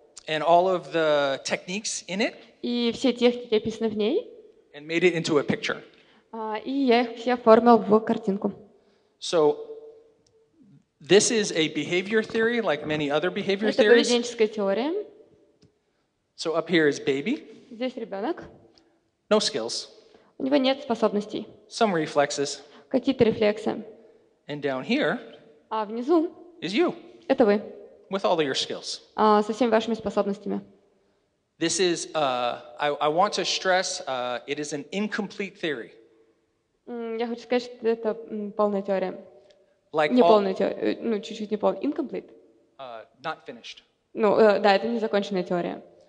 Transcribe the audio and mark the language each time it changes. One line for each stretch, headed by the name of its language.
English: And all of the techniques in it.
Russian: И все техники, описанные в ней.
English: And made it into a picture.
Russian: И я их все оформил в картинку.
English: So this is a behavior theory, like many other behavior
Russian: это
English: theories.
Russian: Это поведенческая теория.
English: So up here is baby.
Russian: Здесь ребенок.
English: No skills.
Russian: У него нет способностей.
English: Some reflexes.
Russian: Какие-то рефлексы.
English: And down here,
Russian: внизу
English: is you.
Russian: Это вы.
English: with all of your skills.
Russian: Со всеми вашими способностями.
English: This is, I want to stress, it is an incomplete theory.
Russian: Я хочу сказать, что это полная теория. Like не полная теория, ну, чуть-чуть не полная.
English: Incomplete. Not finished.
Russian: Ну, да, это незаконченная теория.